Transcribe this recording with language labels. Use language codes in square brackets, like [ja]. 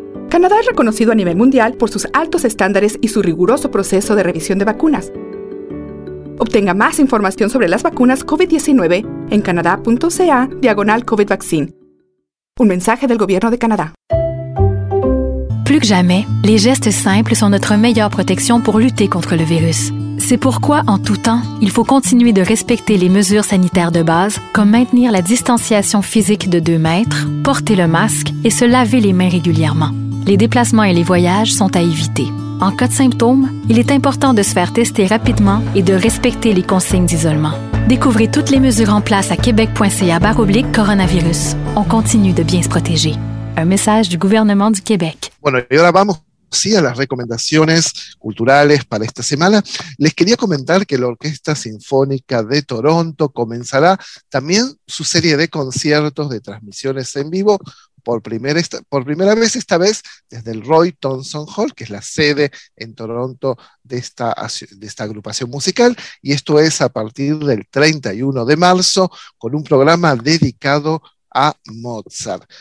[es] Canadá es reconocido a nivel mundial por sus altos estándares y su riguroso proceso de revisión de vacunas. Obtenga más información sobre las vacunas COVID-19 en canada.ca/COVID-vaccine. Un mensaje del Gobierno de Canadá. [fr] Plus que jamais, les gestes simples sont notre meilleure protection pour lutter contre le virus. C'est pourquoi, en tout temps, il faut continuer de respecter les mesures sanitaires de base, comme maintenir la distanciation physique de 2 mètres, porter le masque et se laver les mains régulièrement. Les déplacements et les voyages sont à éviter. En cas de symptômes, il est important de se faire tester rapidement et de respecter les consignes d'isolement. Découvrez toutes les mesures en place à québec.ca/coronavirus. On continue de bien se protéger. Un message du gouvernement du Québec. [es] Bueno, y ahora vamos, sí, a las recomendaciones culturales para esta semana. Les quería comentar que la Orquesta Sinfónica de Toronto comenzará también su serie de conciertos de transmisiones en vivo por primera vez esta vez desde el Roy Thomson Hall, que es la sede en Toronto de esta agrupación musical, y esto es a partir del 31 de marzo con un programa dedicado a Mozart.